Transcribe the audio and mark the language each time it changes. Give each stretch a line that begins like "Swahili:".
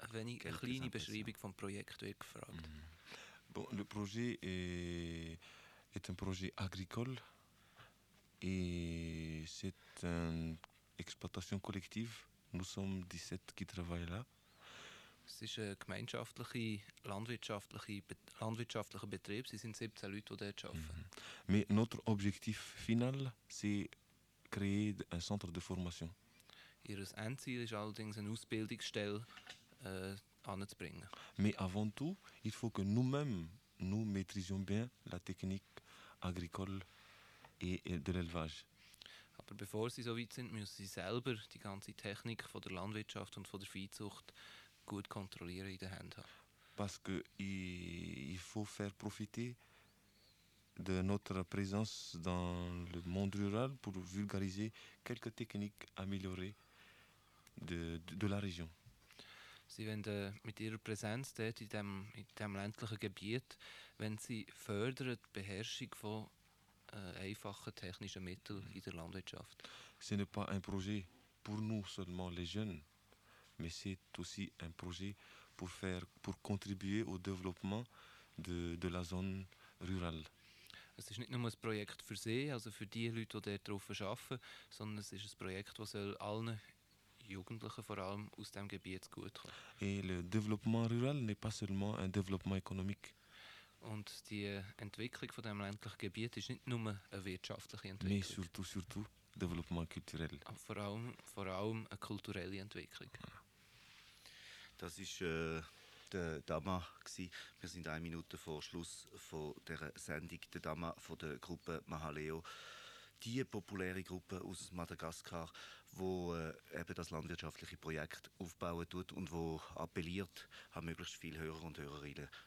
German: Eine kleine Beschreibung vom Projekt wird gefragt.
French: Bon, le projet est un projet agricole. Et c'est une exploitation collective. Nous sommes 17 qui travaillent là. C'est une
German: gemeinschaftliche, landwirtschaftliche Betrieb. Sie sind 17 Leute, die dort arbeiten.
French: Mais notre objectif final, c'est créer un centre de formation.
German: Ihr Endziel ist allerdings, eine Ausbildungsstelle anzubringen.
French: Mais avant tout, il faut que nous-mêmes, nous maîtrisions bien la technique agricole. Et de l'élevage.
German: Aber bevor sie so weit sind, müssen sie selber die ganze Technik von der Landwirtschaft und von der Viehzucht gut kontrollieren in den Händen haben.
French: Parce que il faut faire profiter de notre présence dans le monde rural pour vulgariser quelques techniques améliorées de la région.
German: Sie wollen mit ihrer Präsenz dort in dem ländlichen Gebiet, wenn sie fördern die Beherrschung von einfache technische Mittel in der Landwirtschaft.
French: Ce n'est pas un projet pour nous seulement les jeunes, mais c'est aussi un projet pour contribuer au développement de la zone rurale.
German: Es ist nicht nur ein Projekt für sie, also für die Leute, die dort drauf arbeiten, sondern es ist ein Projekt, das soll allen Jugendlichen vor allem aus dem Gebiet gut kommen.
French: Et le développement rural n'est pas seulement un développement économique.
German: Und die Entwicklung von dem ländlichen Gebiet ist nicht nur eine wirtschaftliche Entwicklung.
French: Mais surtout développement culturel.
German: Vor allem eine kulturelle Entwicklung. Das war der Dama. Wir sind eine Minute vor Schluss von dieser Sendung. Der Dama von der Gruppe Mahaleo. Die populäre Gruppe aus Madagaskar, die eben das landwirtschaftliche Projekt aufbauen tut und wo appelliert an möglichst viele Hörer und Hörerinnen.